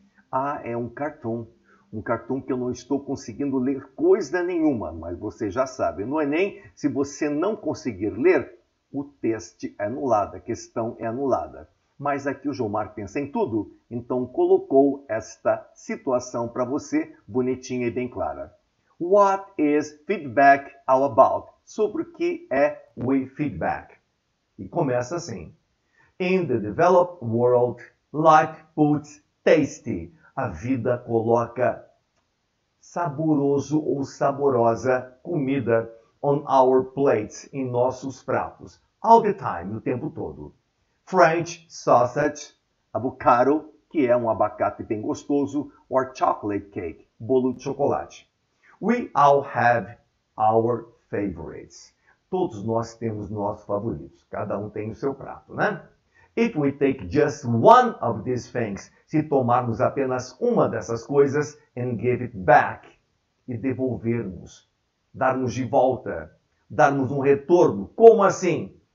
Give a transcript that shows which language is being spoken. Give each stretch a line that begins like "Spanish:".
Portuguese: Ah, é um cartoon. Um cartoon que eu não estou conseguindo ler coisa nenhuma, mas você já sabe. No Enem, se você não conseguir ler, o teste é anulado, a questão é anulada. Mas aqui o Gilmar pensa em tudo, então colocou esta situação para você bonitinha e bem clara.
English: What is feedback all about?
Portuguese: Sobre o que é we feedback? E começa assim.
English: In the developed world, life puts tasty.
Portuguese: A vida coloca saboroso ou saborosa comida
English: on our plates,
Portuguese: em nossos pratos,
English: all the time,
Portuguese: o tempo todo.
English: French sausage,
Portuguese: avocado, que é um abacate bem gostoso,
English: or chocolate cake,
Portuguese: bolo de chocolate.
English: We all have our favorites.
Portuguese: Todos nós temos nossos favoritos. Cada um tem o seu prato, né?
English: If we take just one of these things,
Portuguese: se tomarmos apenas uma dessas coisas,
English: and give it back,
Portuguese: e devolvermos, darmos de volta, darmos um retorno, como assim?